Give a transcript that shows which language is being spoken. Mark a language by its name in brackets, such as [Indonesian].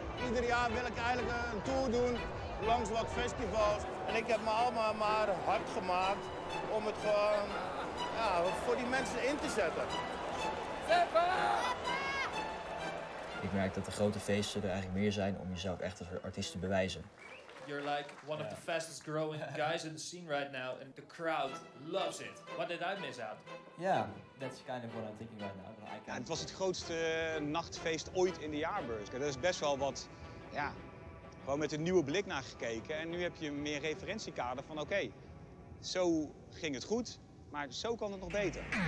[Dutch] Ieder jaar wil ik eigenlijk een tour doen langs wat festivals. En ik heb me allemaal maar hard gemaakt om het gewoon, ja, voor die mensen in te zetten. Ik merk dat de grote feesten er eigenlijk meer zijn om jezelf echt als artiest te bewijzen. [English] You're like one of the fastest growing guys in the scene right now, and the crowd loves it. What did I miss out? Yeah, that's kind of what I'm thinking right now. [Dutch] Ja, het was het grootste nachtfeest ooit in de jaarbeurs. Dat is best wel wat, ja, gewoon met een nieuwe blik naar gekeken. En nu heb je meer referentiekader van, oké, zo ging het goed, maar zo kan het nog beter.